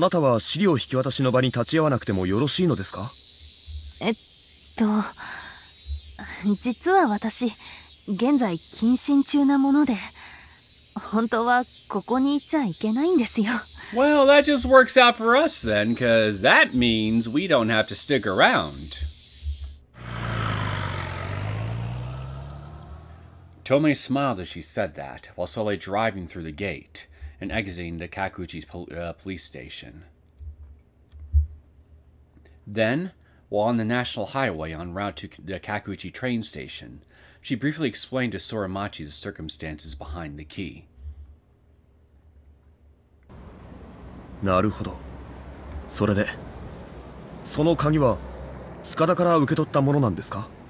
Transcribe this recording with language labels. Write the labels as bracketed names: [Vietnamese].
[Japanese] お気遣い、痛みところで、あなたは資料引き渡しの場に立ち会わなくてもよろしいのですか？実は私、現在謹慎中なもので、本当はここにいちゃいけないんですよ。 [English] Well, that just works out for us then, because that means we don't have to stick around. Tomoe smiled as she said that, while slowly driving through the gate and exiting the Kakuchi's police station. Then, while on the National Highway en route to the Kakuchi train station, she briefly explained to Soramachi the circumstances behind the key. [Japanese] なるほど。それで、その鍵は塚田から受け取ったものなんですか？